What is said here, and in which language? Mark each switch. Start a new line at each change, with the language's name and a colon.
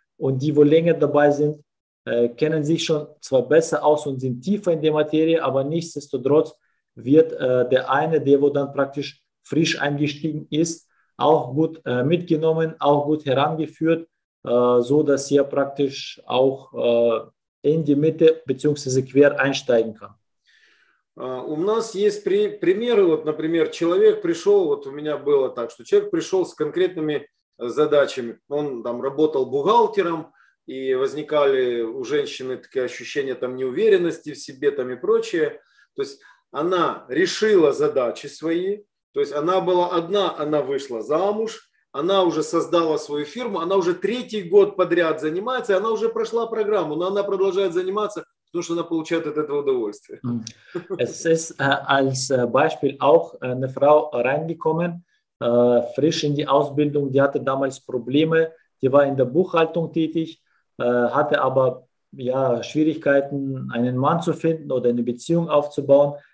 German: Und die, wo länger dabei sind, kennen sich schon zwar besser aus und sind tiefer in der Materie, aber nichtsdestotrotz wird der eine, der wo dann praktisch frisch eingestiegen ist, auch gut mitgenommen, auch gut herangeführt, so dass er praktisch auch in die Mitte beziehungsweise quer einsteigen kann.
Russian: У нас есть примеры, вот, например, человек пришел, вот у меня было так, что человек пришел с конкретными задачами, он там работал бухгалтером, и возникали у женщины такие ощущения там неуверенности в себе там и прочее, то есть она решила задачи свои, то есть она была одна, она вышла замуж, она уже создала свою фирму, она уже третий год подряд занимается, она уже прошла программу, но она продолжает заниматься, потому что она получает от этого удовольствие.
German: Es ist als Beispiel auch eine Frau reingekommen, frisch in die Ausbildung, die hatte damals Probleme, die war in der Buchhaltung tätig, hatte aber ja, Schwierigkeiten, einen Mann zu finden oder eine Beziehung aufzubauen.